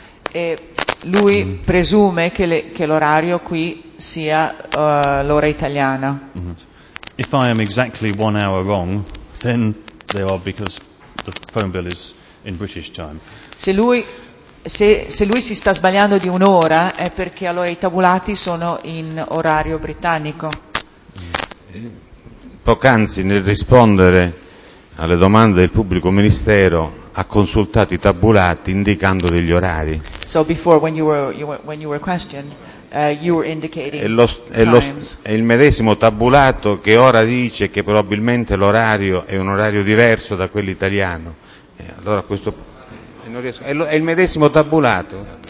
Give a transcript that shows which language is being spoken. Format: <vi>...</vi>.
<it>E lui presume che l'orario qui sia l'ora italiana.</it> <en>If I am exactly 1 hour wrong, then they are because the phone bill is in British time.</en> <it>Se lui si sta sbagliando di un'ora è perché allora i tabulati sono in orario britannico. Poc'anzi nel rispondere alle domande del pubblico ministero ha consultato i tabulati indicando degli orari.</it> <en>So before when you were questioned, you were indicating</en> <it>è il medesimo tabulato che ora dice che probabilmente l'orario è un orario diverso da quello italiano. Allora questo non riesco, è il medesimo tabulato.</it>